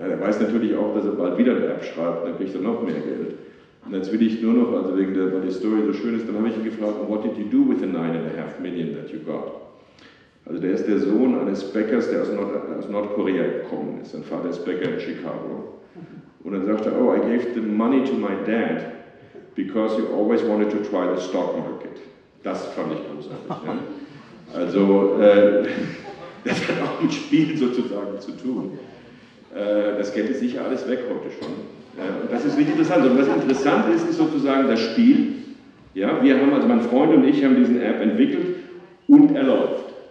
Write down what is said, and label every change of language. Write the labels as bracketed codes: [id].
[de] Ja, der weiß natürlich auch, dass er bald wieder ein Erb schreibt, dann kriegt er noch mehr Geld. Und jetzt will ich nur noch, also wegen der, weil die Story so schön ist, dann habe ich ihn gefragt, [en] what did you do with the 9.5 million that you got? [de] Also der ist der Sohn eines Bäckers, der aus Nordkorea gekommen ist. Sein Vater ist Bäcker in Chicago. Und dann sagt er, [en] oh, I gave the money to my dad, because you always wanted to try the stock market. [de] Das fand ich großartig. Ja. Also, das hat auch mit Spiel sozusagen zu tun. Das Geld ist sicher alles weg heute schon. Und das ist nicht interessant. Und was interessant ist, ist sozusagen das Spiel. Ja, wir haben, also mein Freund und ich haben diesen App entwickelt und er läuft.